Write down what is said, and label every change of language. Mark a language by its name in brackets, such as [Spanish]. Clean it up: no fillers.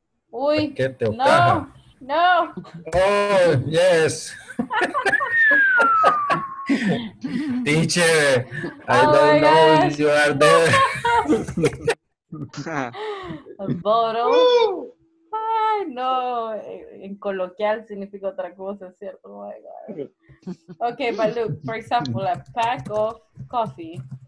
[Spanish] Uy, no, no. [English] Oh, yes. Teacher, I don't know if you are there. A bottle. Woo! [Spanish] Ay, no, en coloquial significa otra cosa, ¿cierto? [English] Oh, my God. Okay, but look, for example, a pack of coffee.